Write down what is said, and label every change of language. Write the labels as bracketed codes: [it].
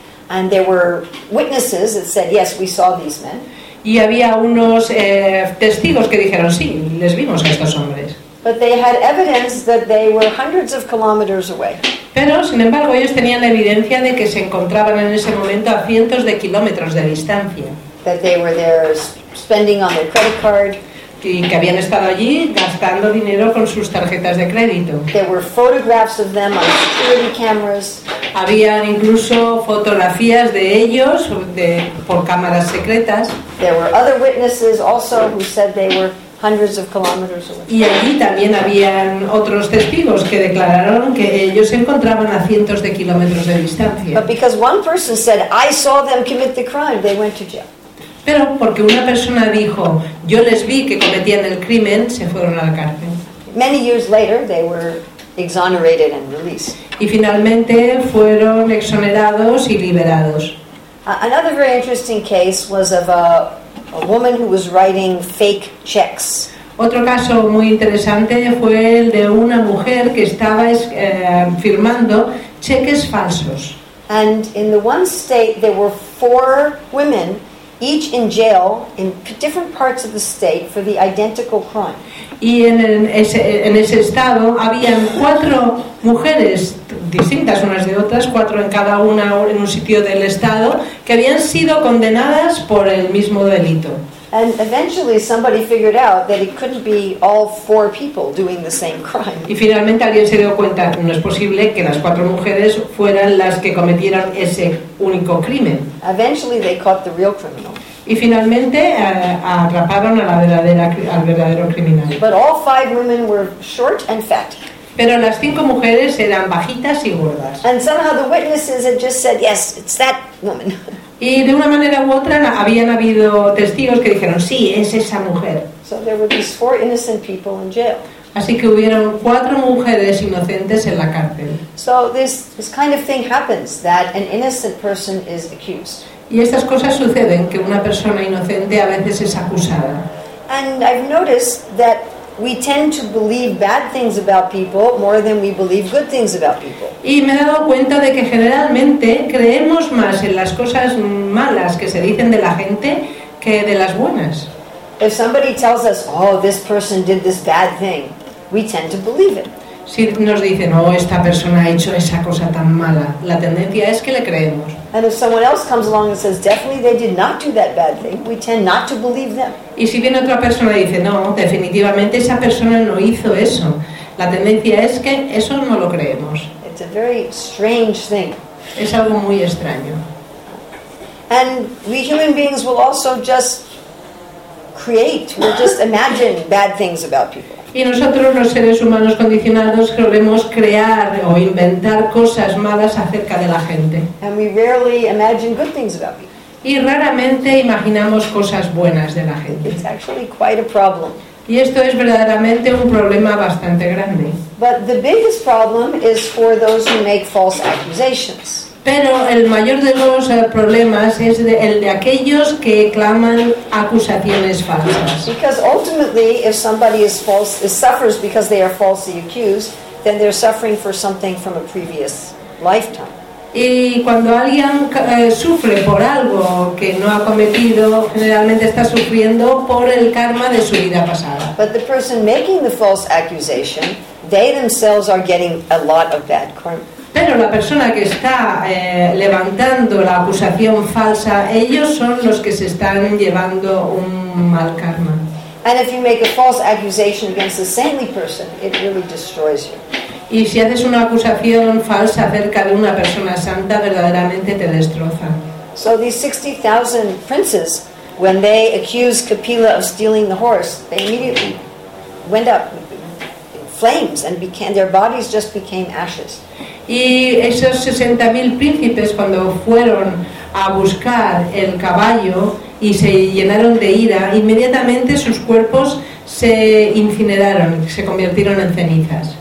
[en] And there were witnesses that said, "Yes, we saw these men." [es] Y había unos testigos que dijeron, "Sí, les vimos a estos hombres." [en] But they had evidence that they were hundreds of kilometers away. [es] Pero, sin embargo, ellos tenían la evidencia de que se encontraban en ese momento a cientos de kilómetros de distancia. [en] That they were there spending on their credit card. [es] Y que habían estado allí gastando dinero con sus tarjetas de crédito. [en] There were photographs of them on security cameras. [es] Habían incluso fotografías de ellos por cámaras secretas. [en] There were other witnesses also who said they were hundreds of kilometers away. [es] Y allí también habían otros testigos que declararon que ellos se encontraban a cientos de kilómetros de distancia. [en] But because one person said, "I saw them commit the crime," they went to jail. [es] Pero porque una persona dijo, "Yo les vi que cometían el crimen," se fueron a la cárcel. [en] Many years later, they were exonerated and released. [es] Y finalmente fueron exonerados y liberados. [en] Another very interesting case was of a woman who was writing fake checks. [es] Otro caso muy interesante fue el de una mujer que estaba firmando cheques falsos. [en] And in the one state there were four women, each in jail in different parts of the state for the identical crime. [es] Y en ese estado habían cuatro mujeres distintas unas de otras, cuatro en cada una en un sitio del estado, que habían sido condenadas por el mismo delito. [en] And eventually somebody figured out that it couldn't be all four people doing the same crime. [es] Y finalmente alguien se dio cuenta, no es posible que las cuatro mujeres fueran las que cometieran ese único crimen. [en] Eventually they caught the real criminal. [es] Y finalmente atraparon al verdadero criminal. [en] But all five women were short and fat. [es] Pero las cinco mujeres eran bajitas y gordas. [en] And somehow the witnesses had just said, "Yes, it's that woman." [es] Y de una manera u otra habían habido testigos que dijeron, "Sí, es esa mujer." [en] So there were these four innocent people in jail. [es] Así que hubieron cuatro mujeres inocentes en la cárcel. [en] So this kind of thing happens, that an innocent person is accused. [es] Y estas cosas suceden, que una persona inocente a veces es acusada. [en] And I've noticed that we tend to believe bad things about people more than we believe good things about people. [es] Y me he dado cuenta de que generalmente creemos más en las cosas malas que se dicen de la gente que de las buenas. [en] If somebody tells us, "Oh, this person did this bad thing," we tend to believe it. [es] Si nos dicen, "Oh, esta persona ha hecho esa cosa tan mala," la tendencia es que le creemos. [en] And if someone else comes along and says, "Definitely they did not do that bad thing," we tend not to believe them. [es] Y si viene otra persona y dice, "No, definitivamente esa persona no hizo eso," la tendencia es que eso no lo creemos. [en] It It's a very strange thing. [es] Es algo muy extraño. [en] And we human beings will also just create, we'll just imagine bad things about people. [es] Y nosotros los seres humanos condicionados queremos crear o inventar cosas malas acerca de la gente. [en] And we rarely imagine good things about people. [es] Y raramente imaginamos cosas buenas de la gente. [en] It's actually quite a problem. [es] Y esto es verdaderamente un problema bastante grande. [en] But the biggest problem is for those who make false accusations. [es] Pero el mayor de los problemas es el de aquellos que claman acusaciones falsas. [en] Because ultimately, if somebody is false, if suffers because they are falsely accused, then they're suffering for something from a previous lifetime. [es] Y cuando alguien sufre por algo que no ha cometido, generalmente está sufriendo por el karma de su vida pasada. [en] But the person making the false accusation, they themselves are getting a lot of bad karma. [es] Pero la persona que está levantando la acusación falsa, ellos son los que se están llevando un mal karma. [en] And if you make a false accusation against the saintly person, it really destroys you. [es] Y si haces una acusación falsa acerca de una persona santa, verdaderamente te destroza. [en] So these 60,000 princes, when they accused Kapila of stealing the horse, they immediately went up in flames and became, their bodies just became ashes. [es] Y esos 60,000 príncipes cuando fueron a buscar el caballo y se llenaron de ira, inmediatamente sus cuerpos se incineraron, se convirtieron en cenizas.